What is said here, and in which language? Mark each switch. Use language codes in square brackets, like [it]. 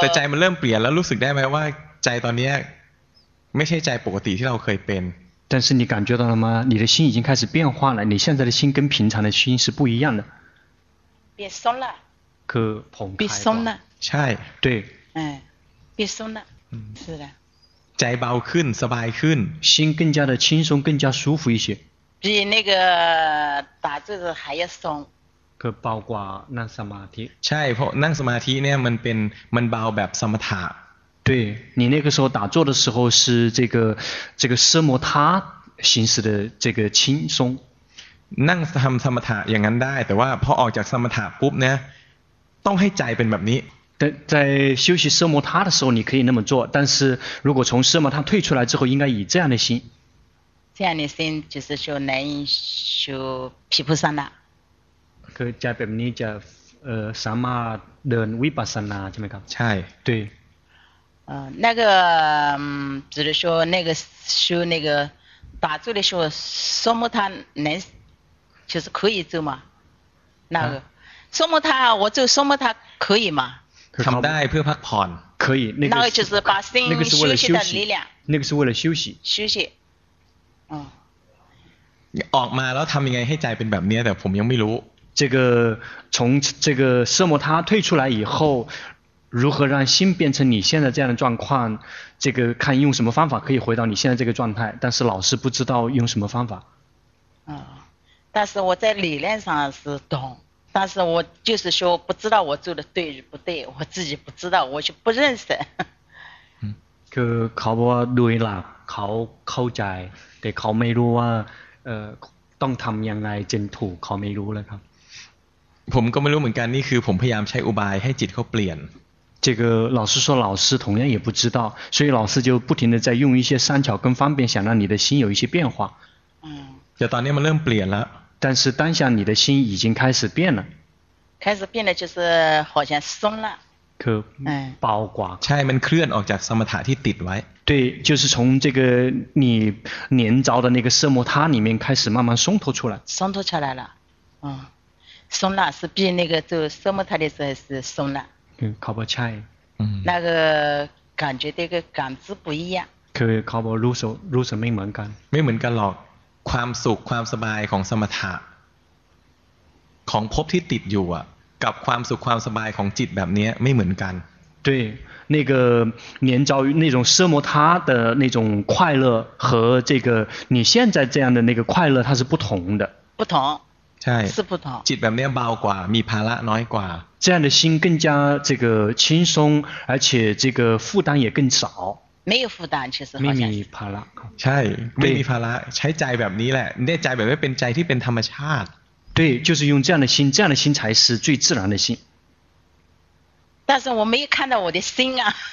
[th] แต่ใจมันเริ่มเปลี่ยนแล้ว รู้สึกได้ไหมว่าใจตอนนี้ไม่ใช่ใจปกติที่เราเคยเป็น。 [zh] 但是你感觉到了吗？你的心已经开始变化了，你现在的心跟平常的心是不一样的。变松了。可澎湃。变松了。 [th] ใช่ [zh] 对。嗯，变松了。嗯，是的。 [th] ใจเบาขึ้นสบายขึ้น [zh] 心更加的轻松更加舒服一些比那个打坐的还要松 [th] ก็เบากว่านั่งสมาธิ ใช่เพราะนั่งสมาธิเนี่ยมันเบาแบบสมถะ [zh] 对你那个时候打坐的时候是这个奢摩他形式的这个轻松 [th] นั่งทำสมถะอย่างนั้นได้แต่ว่าพอออกจากสมถะปุ๊บเนี่ยต้องให้ใจเป็นแบบนี้ [zh] 在休息奢摩他的时候你可以那么做但是如果从奢摩他退出来之后应该以这样的心这样的心就是说能修毗婆舍那可以在本尼叫萨玛的维巴舍那这么讲对那个只是说那个修那个打坐的时候奢摩他能就是可以做吗那个奢摩他我做奢摩他可以吗 [th] ทำได้เพื่อพักผ่อน [zh] 可以那个就是把心那个是为了休息的力量那个是为了休息休息 [th] ออกมาแล้วทำยังไงให้ใจเป็นแบบนี้แต่ผมยังไม่รู้ [zh] 这个从这个奢摩他退出来以后如何让心变成你现在这样的状况这个看用什么方法可以回到你现在这个状态但是老师不知道用什么方法但是我在理念上是懂但是我就是说不知道我做的对不对我自己不知道我就不认识 [th] คือเขาบอกว่าโดยหลักเขาเข้าใจแต่เขาไม่รู้ว่า ต้องทำยังไงจึงถูกเขาไม่รู้แล้วครับ ผมก็ไม่รู้เหมือนกันนี่คือผมพยายามใช้อุบายให้จิตเขาเปลี่ยน [zh] 这个老师说老师同样也不知道所以老师就不停的在用一些善巧跟方便想让你的心有一些变化 [th] แต่ตอนนี้มันเริ่มเปลี่ยนแล้ว [zh] 但是当下你的心已经开始变了开始变了就是好像松了可包括 [th] ใช่มันเคลื่อนออกจากสมถะที่ติดไว้ [zh] 对就是从这个你黏着的那个色魔他里面开始慢慢松脱出来松脱出来了松了是变那个就色魔他的时候是松了 [th] คือเขาใช่ [zh] 那个感觉这个感知不一样 [th] คือเขาบอกรู้สึกไม่เหมือนกัน ไม่เหมือนกันหรอกความสุขความสบายของสมถะของภพที่ติดอยู่อ่ะกับความสุขความสบายของจิตแบบนี้ไม่เหมือนกัน [zh] 对那个黏着那种奢摩他的那种快乐和这个你现在这样的那个快乐它是不同的不同 [th] ใช่ [zh] 是不同 [th] จิตแบบนี้เบากว่ามีภาระน้อยกว่า [zh] 这样的心更加这个轻松而且这个负担也更少没有负担其实没有ภาระ [th] ใช่ไม่มีภาระใช้ใจแบบนี้แหละเนี่ยใจแบบนี้เป็นใจที่เป็นธรรมชาติ [zh] 对就是用这样的心这样的心才是最自然的心但是我没有看到我的心啊